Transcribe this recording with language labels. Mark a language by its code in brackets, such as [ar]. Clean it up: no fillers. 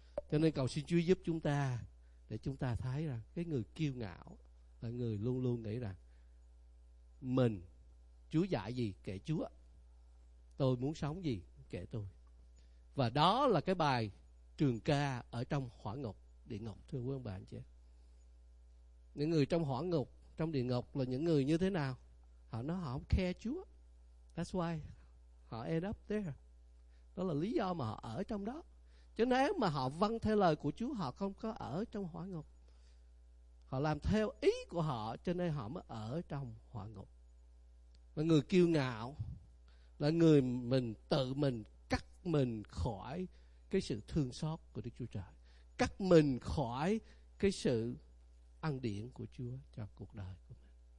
[vi] Cho nên cầu xin Chúa giúp chúng ta, để chúng ta thấy rằng cái người kiêu ngạo là người luôn luôn nghĩ rằng mình, Chúa dạy gì kể Chúa, tôi muốn sống gì kể tôi. Và đó là cái bài trường ca ở trong hỏa ngục, địa ngục, thưa quý ông bà anh chị. Những người trong hỏa ngục, trong địa ngục là những người như thế nào? Họ nói họ không care Chúa. [en] That's why [vi] họ [en] end up there. [vi] Đó là lý do mà họ ở trong đó. Chứ nếu mà họ vâng theo lời của Chúa, họ không có ở trong hỏa ngục. Họ làm theo ý của họ, cho nên họ mới ở trong hỏa ngục. Là người kiêu ngạo, là người mình tự mình cắt mình khỏi cái sự thương xót của Đức Chúa Trời, cắt mình khỏi cái sự ăn điển của Chúa cho cuộc đời của mình.